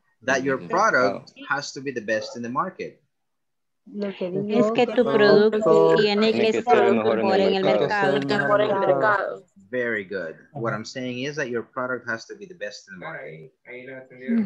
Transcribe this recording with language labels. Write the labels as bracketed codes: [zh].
[en] That your product has to be the best in the market. [es] Lo que digo es que tu producto tiene que ser mejor en el mercado. Mejor en el mercado. [en] Very good. What I'm saying is that your product has to be the best in the market.